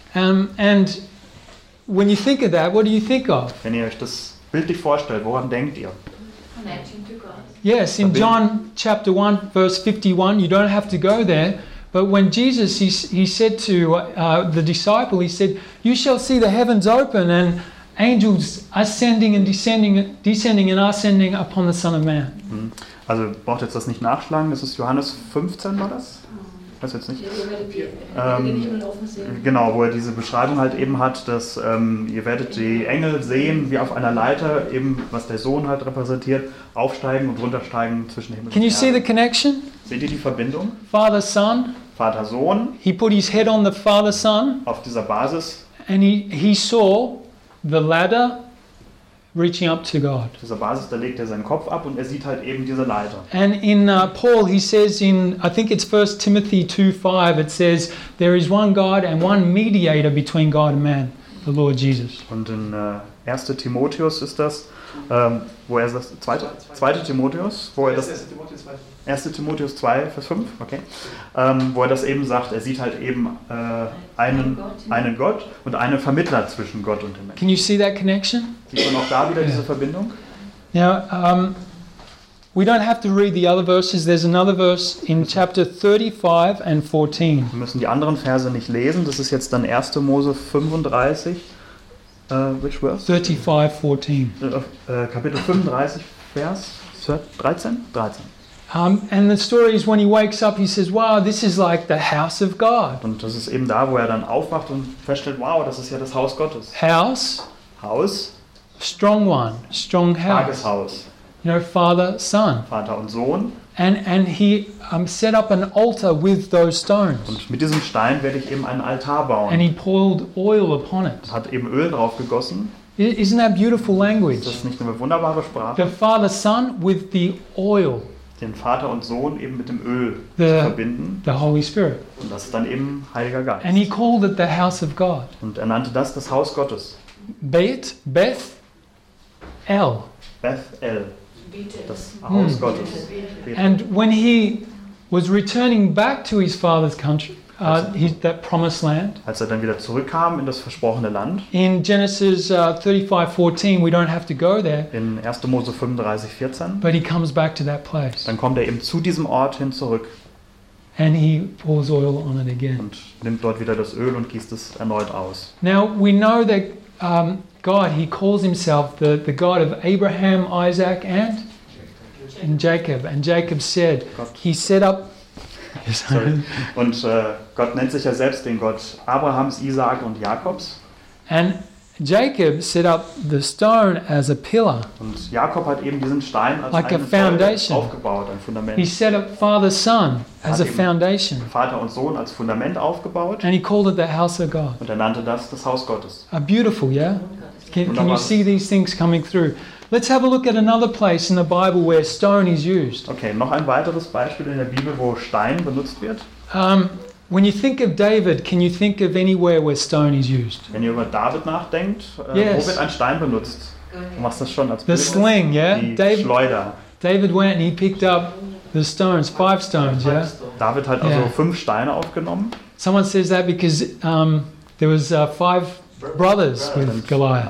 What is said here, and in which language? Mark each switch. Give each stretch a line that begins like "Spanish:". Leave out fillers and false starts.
English: And when you think of that, what do you think of?
German: Wenn ihr euch das bildlich vorstellt, woran denkt ihr? A
English: connecting to God. Yes, in John chapter 1, verse 51, you don't have to go there. But when Jesus, he said to the disciple, he said, you shall see the heavens open and angels ascending and descending and ascending upon the Son of Man.
German: Also braucht jetzt das nicht nachschlagen, das ist Johannes 15, war das? Weiß jetzt nicht. Genau, wo er diese Beschreibung halt eben hat, dass ihr werdet die Engel sehen, wie auf einer Leiter, eben was der Sohn halt repräsentiert, aufsteigen und runtersteigen zwischen Himmel und
English: Erde. Can you see the connection?
German: Seht ihr die Verbindung?
English: Father, Son.
German: Vater, Sohn.
English: He put his head on the Father, Son.
German: Auf dieser Basis.
English: And he saw the ladder reaching up to God.
German: Auf dieser Basis, da legt er seinen Kopf ab und er sieht halt eben diese Leiter.
English: And in Paul, he says in, I think it's 1 Timothy 2:5, it says, there is one God and one mediator between God and man, the Lord Jesus.
German: Und in 1. Timotheus ist das, wo er das, 2. Timotheus, wo er das... 1. Timotheus 2, Vers 5, okay. Wo er das eben sagt, er sieht halt eben einen Gott und einen Vermittler zwischen Gott und dem Menschen.
English: Can you see that connection?
German: Sieht man auch da wieder diese Verbindung?
English: Now, we don't have to read the other verses. There's another verse in chapter 35 and 14.
German: Wir müssen die anderen Verse nicht lesen. Das ist jetzt dann 1. Mose 35,
English: which verse? 35, 14.
German: Kapitel 35, Vers 13? 13.
English: And the story is when he wakes up, he says, wow, this is like the house of God.
German: Und das ist eben da, wo er dann aufwacht und feststellt, wow, das ist ja das Haus Gottes.
English: House.
German: Haus.
English: Strong one. Strong house.
German: Starkes Haus.
English: You know, Father, Son.
German: Vater und Sohn.
English: And he set up an altar with those stones.
German: Und mit diesem Stein werde ich eben einen Altar bauen.
English: And he poured oil upon it.
German: Hat eben Öl drauf gegossen.
English: Isn't that beautiful language?
German: Ist das nicht eine wunderbare Sprache?
English: The Father, Son with the oil.
German: Den Vater und Sohn eben mit dem Öl zu verbinden.
English: The Holy Spirit.
German: Und das ist dann eben Heiliger Geist.
English: And he called it the house of God.
German: Und er nannte das das Haus Gottes. Beth-El. Beth-El. Das Haus Gottes. Beth-El.
English: And when he was returning back to his father's country, that promised land.
German: Als er dann wieder zurückkam in das versprochene Land.
English: In Genesis 35:14, we don't have to go there.
German: In 1. Mose 35:14.
English: But he comes back to that place.
German: Dann kommt er eben zu diesem Ort hin zurück.
English: And he pours oil on it again.
German: Und nimmt dort wieder das Öl und gießt es erneut aus.
English: Now we know that God, he calls himself the God of Abraham, Isaac and Jacob. And Jacob said, he set up. Sorry.
German: Und Gott nennt sich ja selbst den Gott Abrahams, Isaak und Jakobs.
English: And Jacob set up the stone as a pillar.
German: Und Jakob hat eben diesen Stein als
English: like
German: eine
English: foundation
German: aufgebaut, ein Fundament.
English: He set up Father, Son as a foundation.
German: Vater und Sohn als Fundament aufgebaut.
English: And he called it the house of God.
German: Und er nannte das das Haus Gottes.
English: A beautiful, yeah. Can you see these things coming through? Let's have a look at another place in the Bible where stone is used.
German: Okay, noch ein weiteres Beispiel in der Bibel, wo Stein benutzt wird.
English: When you think of David, can you think of anywhere where stone is used?
German: Wenn ihr über David nachdenkt, wo wird ein Stein benutzt? Du machst das schon als
English: the
German: Bild.
English: Sling, yeah?
German: Die David, Schleuder.
English: David went and he picked up the stones, five stones, yeah?
German: David hat also fünf Steine aufgenommen.
English: Someone says that because there was five brothers with Goliath.